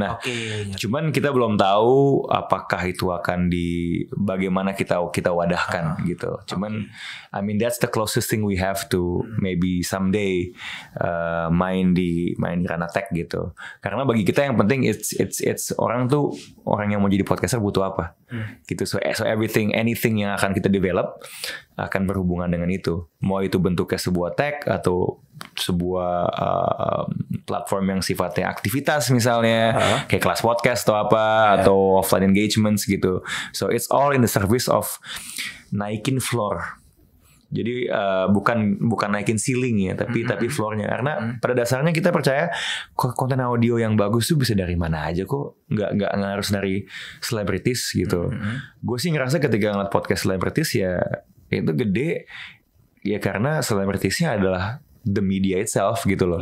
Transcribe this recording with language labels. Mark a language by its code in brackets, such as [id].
[id] Nah, cuman kita belum tahu apakah itu akan di bagaimana kita wadahkan gitu. Cuman [en] I mean that's the closest thing we have to maybe someday [id] main di ranah tech gitu. Karena bagi kita yang penting [en] it's [id] orang yang mau jadi podcaster butuh apa. Gitu. [en] So everything anything [id] yang akan kita develop akan berhubungan dengan itu. Mau itu bentuknya sebuah tech atau sebuah platform yang sifatnya aktivitas misalnya kayak kelas podcast atau apa atau offline engagements gitu. [en] So it's all in the service of [id] naikin [en] floor. [id] Jadi bukan naikin ceiling ya, tapi tapi floornya. Karena pada dasarnya kita percaya konten audio yang bagus tuh bisa dari mana aja kok. Nggak harus dari selebritis gitu. Gue sih ngerasa ketika ngeliat podcast selebritis ya itu gede ya karena selebritisnya adalah [en] the media itself [id] gitu loh.